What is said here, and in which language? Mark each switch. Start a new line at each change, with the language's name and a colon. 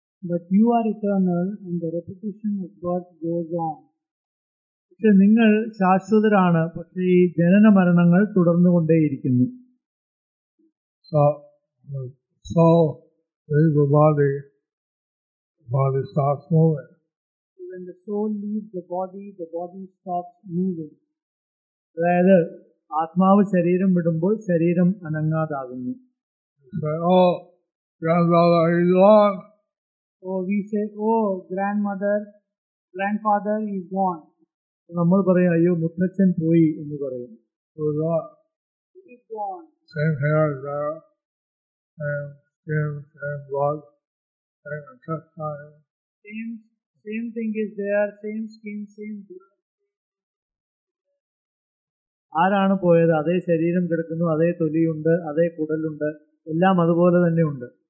English: But you are eternal and the repetition of birth goes on.
Malayalam: പക്ഷെ നിങ്ങൾ ശാശ്വതരാണ്, പക്ഷെ ഈ ജനന മരണങ്ങൾ തുടർന്നുകൊണ്ടേയിരിക്കുന്നു.
English: When the soul leaves the body stops moving.
Malayalam: അതായത് ആത്മാവ് ശരീരം വിടുമ്പോൾ ശരീരം അനങ്ങാതാകുന്നു.
English: Grandfather, he's gone. Oh, we say, oh, grandmother, grandfather, he's gone.
Malayalam: നമ്മൾ പറയും അയ്യോ മുത്തച്ഛൻ പോയി എന്ന് പറയും.
English: He's gone. Same here, same skin, same blood, same intestine. Same thing is there, same skin, same blood.
Malayalam: ആരാണ് പോയത്? അതേ ശരീരം കിടക്കുന്നു, അതേ തൊലിയുണ്ട്, അതേ കുടലുണ്ട്, എല്ലാം അതുപോലെ തന്നെ ഉണ്ട്.